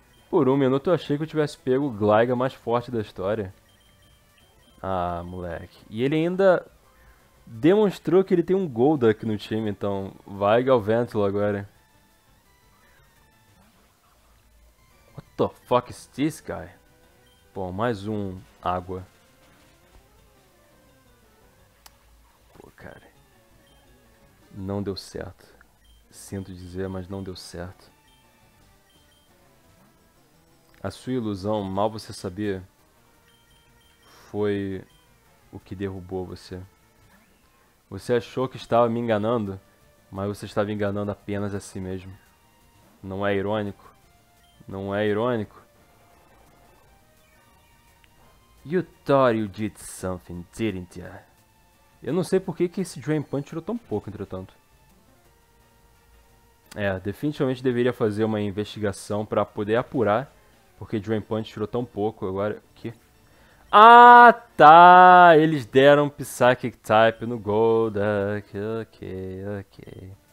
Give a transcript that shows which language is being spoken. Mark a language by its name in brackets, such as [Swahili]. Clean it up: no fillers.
[Portuguese] Por um minuto eu achei que eu tivesse pego o Gligar mais forte da história. Ah, moleque. E ele ainda demonstrou que ele tem um Golduck no time, então vai Galvantula agora. [English] What the fuck is this guy? [Portuguese] Bom, mais um água. Pô, cara. Não deu certo. Sinto dizer, mas não deu certo. A sua ilusão, mal você sabia, foi o que derrubou você. Você achou que estava me enganando, mas você estava enganando apenas a si mesmo. Não é irônico? Não é irônico? [English] You thought you did something, didn't you? [Portuguese] Eu não sei por que esse Drain Punch tirou tão pouco, entretanto. É, definitivamente deveria fazer uma investigação para poder apurar porque Drain Punch tirou tão pouco. Agora, que? Ah, tá! Eles deram Psychic Type no Golduck. Ok.